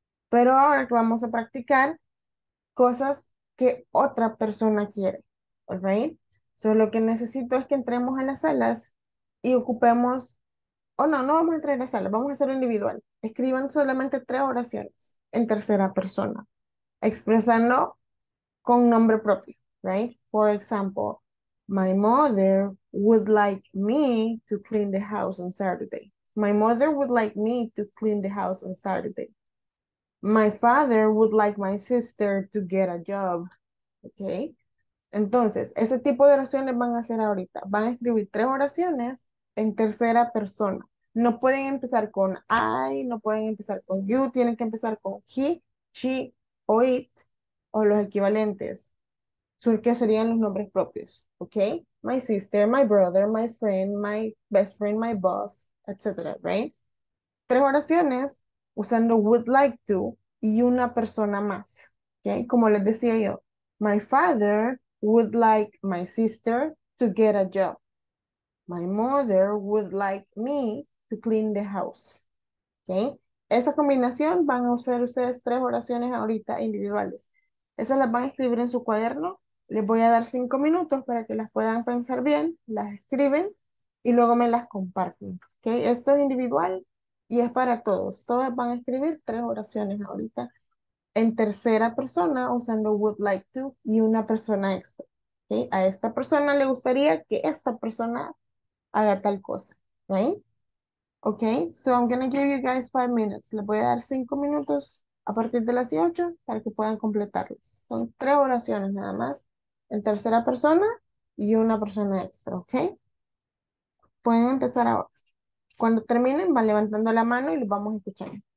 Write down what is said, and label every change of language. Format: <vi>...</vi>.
<es>Pero ahora que vamos a practicar cosas que otra persona quiere,</es> <en>all right?</en> <es>So, lo que necesito es que entremos en las salas y ocupemos, no, no vamos a entrar en las salas, vamos a hacerlo individual. Escriban solamente tres oraciones en tercera persona, expresando con nombre propio, right?</es> <en>For example, my mother would like me to clean the house on Saturday. My mother would like me to clean the house on Saturday. My father would like my sister to get a job. Okay.</en> <es>Entonces, ese tipo de oraciones van a hacer ahorita. Van a escribir tres oraciones en tercera persona. No pueden empezar con I, no pueden empezar con you, tienen que empezar con he, she o it. O los equivalentes, que serían los nombres propios, ¿ok?</es> <en>My sister, my brother, my friend, my best friend, my boss, etc., right?</en> <es>Tres oraciones usando would like to y una persona más, ¿ok? Como les decía yo,</es> <en>my father would like my sister to get a job. My mother would like me to clean the house, ¿ok?</en> <es>Esa combinación van a usar ustedes tres oraciones ahorita individuales. Esas las van a escribir en su cuaderno. Les voy a dar 5 minutos para que las puedan pensar bien, las escriben y luego me las comparten. ¿Okay? Esto es individual y es para todos. Todas van a escribir tres oraciones ahorita en tercera persona usando would like to y una persona extra. ¿Okay? A esta persona le gustaría que esta persona haga tal cosa.</es> <en>¿Right? Ok, so I'm going to give you guys 5 minutes.</en> <es>Les voy a dar 5 minutos. A partir de las 18 para que puedan completarlas. Son tres oraciones nada más en tercera persona y una persona extra, ¿ok? Pueden empezar ahora. Cuando terminen, van levantando la mano y los vamos a escuchar.</es>